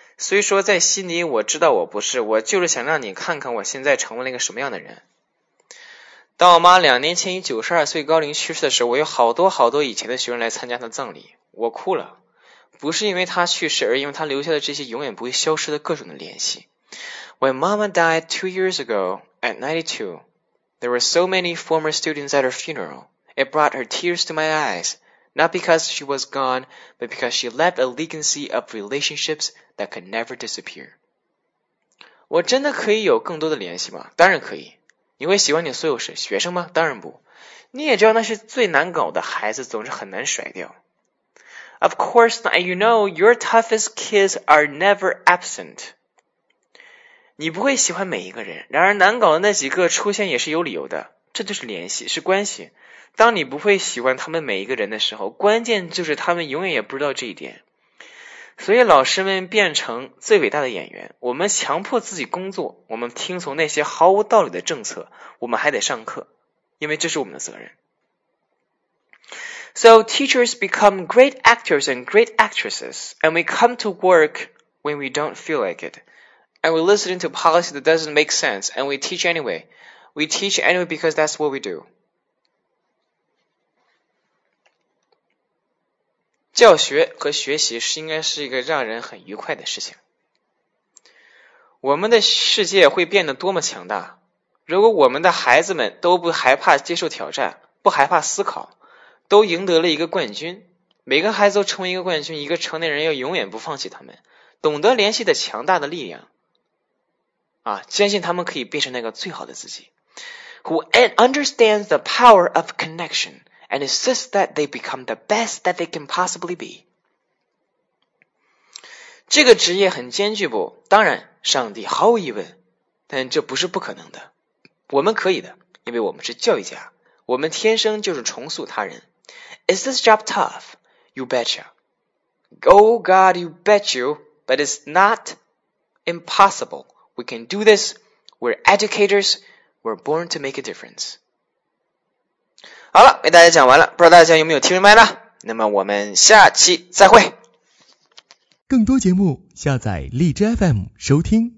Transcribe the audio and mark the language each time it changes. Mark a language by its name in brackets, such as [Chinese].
[Chinese] 所以说在心里我知道我不是，我就是想让你看看我现在成为了一个什么样的人。当我妈两年前以92岁高龄去世的时候，我有好多好多以前的学生来参加她葬礼，我哭了，不是因为她去世，而因为她留下的这些永远不会消失的各种的联系。 [English] When Mama died 2 years ago at 92, there were so many former students at her funeral. It brought her tears to my eyes, not because she was gone, but because she left a legacy of relationships that could never disappear. [Chinese] 我真的可以有更多的联系吗？当然可以。你会喜欢你所有学生吗？当然不。你也知道那是最难搞的孩子，总是很难甩掉。 [English] Of course not, you know, your toughest kids are never absent. [Chinese] 你不会喜欢每一个人，然而难搞的那几个出现也是有理由的。这就是联系，是关系。当你不会喜欢他们每一个人的时候，关键就是他们永远也不知道这一点。所以老师们变成最伟大的演员，我们强迫自己工作，我们听从那些毫无道理的政策，我们还得上课，因为这是我们的责任。 [English] So teachers become great actors and great actresses, and we come to work when we don't feel like it, and we listen to policy that doesn't make sense, and we teach anyway. We teach anyway because that's what we do. [Chinese] 教学和学习是应该是一个让人很愉快的事情。我们的世界会变得多么强大，如果我们的孩子们都不害怕接受挑战，不害怕思考，都赢得了一个冠军，每个孩子都成为一个冠军，一个成年人要永远不放弃他们，懂得联系的强大的力量啊，相信他们可以变成那个最好的自己。 [English] Who understands the power of connectionand insist that they become the best that they can possibly be. [Chinese] 这个职业很艰巨不？当然，上帝毫无疑问，但这不是不可能的。我们可以的，因为我们是教育家，我们天生就是重塑他人。 [English] Is this job tough? You betcha. Oh God, you bet you, but it's not impossible. We can do this. We're educators. We're born to make a difference. [Chinese] 好了，给大家讲完了，不知道大家有没有听明白呢？那么我们下期再会。更多节目下载荔枝 FM 收听。